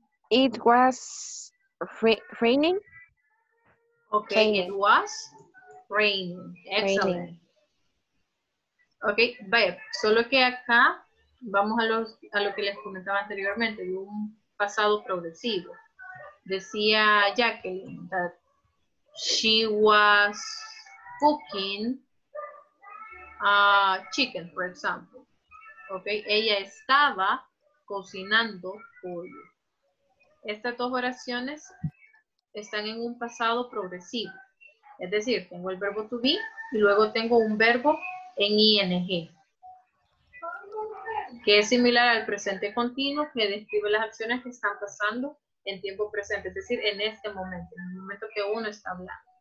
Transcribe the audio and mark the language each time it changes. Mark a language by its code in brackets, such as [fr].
[en] It was raining. Okay, raining. It was rain. Excellent. Raining. [es] Okay, vaya, solo que acá vamos a lo que les comentaba anteriormente, de un pasado progresivo. Decía [en] Jacqueline that she was cooking chicken, for example. [es] Okay, ella estaba cocinando pollo. Estas dos oraciones están en un pasado progresivo. Es decir, tengo el verbo to be y luego tengo un verbo en ING, que es similar al presente continuo, que describe las acciones que están pasando en tiempo presente, es decir, en este momento, en el momento que uno está hablando.